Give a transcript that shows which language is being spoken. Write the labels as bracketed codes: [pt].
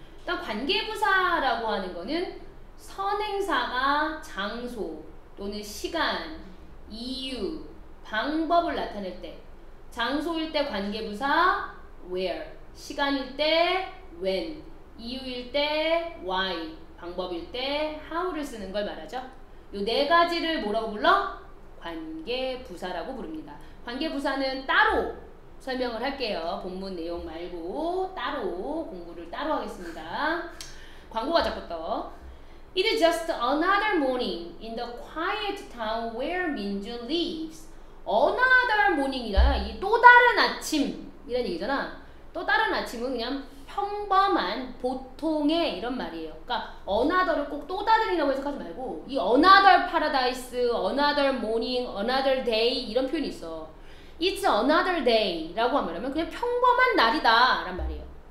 [ko] 일단 관계부사라고 하는 거는 선행사가 장소 또는 시간, 이유, 방법을 나타낼 때, 장소일 때 관계부사 where, 시간일 때 when, 이유일 때 why, 방법일 때 how를 쓰는 걸 말하죠. 요 네 가지를 뭐라고 불러? 관계부사라고 부릅니다. 관계부사는 따로 설명을 할게요. 본문 내용 말고 따로 공부를 따로 하겠습니다. 광고가 자꾸 떠. [en] It is just another morning in the quiet town where Minjun lives. [ko] Another morning이라 이 또 다른 아침이라는 얘기잖아. 또 다른 아침은 그냥 평범한 보통의 이런 말이에요. 그러니까 another를 꼭 또 다른이라고 해석하지 말고 이 [en] another paradise, another morning, another day [ko] 이런 표현이 있어. [en] It's another day [ko] 라고 하면 그냥 평범한 날이다란 말이에요.